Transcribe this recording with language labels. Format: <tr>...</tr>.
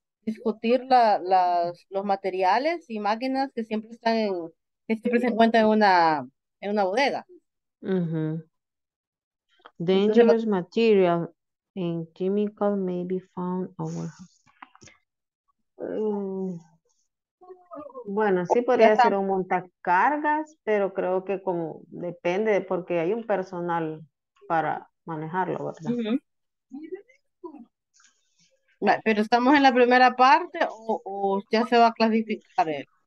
<es>discutir los materiales y máquinas que siempre están en, que siempre se encuentran en una bodega. Mm-hmm.</es> <en>Dangerous material and chemical may be found over.</en> <es>Bueno, sí podría ser un montacargas, pero creo que como depende, porque hay un personal para manejarlo, ¿verdad? Uh-huh. Vale, pero estamos en la primera parte o ya se va a clasificar él.</es>